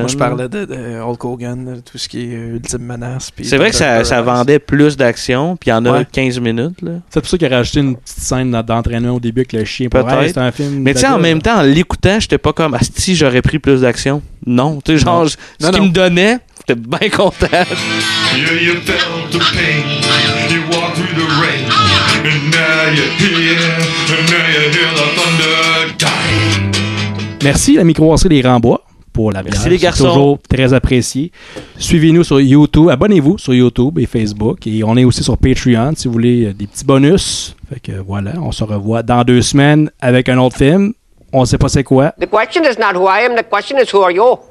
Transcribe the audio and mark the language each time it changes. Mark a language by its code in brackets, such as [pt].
[fr] Moi, je parlais de Hulk Hogan, tout ce qui est Ultime Menace. C'est Doctor vrai que ça vendait plus d'action, puis il y en a 15 minutes. Là. C'est pour ça qu'il a rajouté une petite scène d'entraînement au début avec le chien. Peut-être. Pour un film. Mais tu sais, en même temps, en l'écoutant, j'étais pas comme « Asti, j'aurais pris plus d'action ». Non, tu sais, genre, ce qu'il me donnait, j'étais bien content. [en] You felt the pain, you walked through the rain, and now you hear the thunder die. [fr] Merci, la micro-orcerie des Rambois, pour la version. Merci, les garçons. C'est toujours très apprécié. Suivez-nous sur YouTube, abonnez-vous sur YouTube et Facebook, et on est aussi sur Patreon, si vous voulez des petits bonus. Fait que voilà, on se revoit dans deux semaines avec un autre film. On sait pas c'est quoi. [en] The question is not who I am, the question is who are you.